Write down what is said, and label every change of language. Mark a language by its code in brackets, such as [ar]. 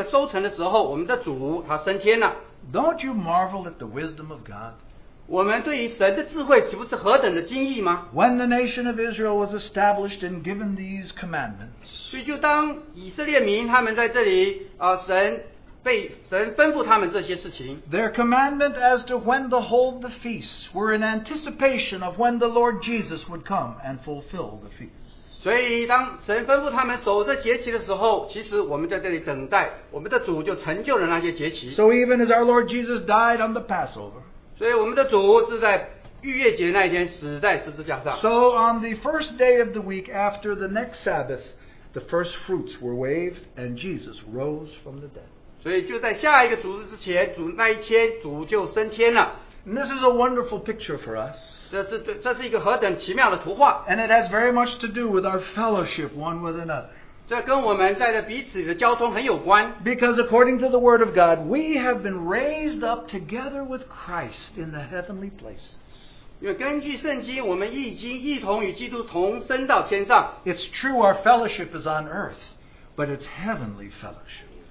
[zh] 就在那祭司在那个圣殿里那一天摇那个初熟的果子，初熟的那个收成的时候，我们的主他升天了。 [en] Don't you marvel at the wisdom of God? [zh] 我们对于神的智慧岂不是何等的惊异吗? [en] When the nation of Israel was established and given these commandments, [zh] 所以就当以色列民他们在这里，神吩咐他们这些事情。 [en] Their commandment as to when to hold the feasts were in anticipation of when the Lord Jesus would come and fulfill the feasts. [zh] 所以当神吩咐他们守着节期的时候，其实我们在这里等待，我们的主就成就了那些节期。 [en] So even as our Lord Jesus died on the Passover, [zh] 所以我们的主是在逾越节那一天死在十字架上。 [en] So on the first day of the week after the next Sabbath, the first fruits were waved and Jesus rose from the dead. [zh] 所以就在下一个主日之前，主那一天主就升天了。 [en] And this is a wonderful picture for us. [zh] 这是一个何等奇妙的图画。 [en] And it has very much to do with our fellowship one with another. [zh] 这跟我们在彼此的交通很有关。 [en] Because according to the word of God, we have been raised up together with Christ in the heavenly places. [zh] 因为根据圣经，我们已经一同与基督同升到天上。 [en] It's true our fellowship is on earth, but it's heavenly fellowship.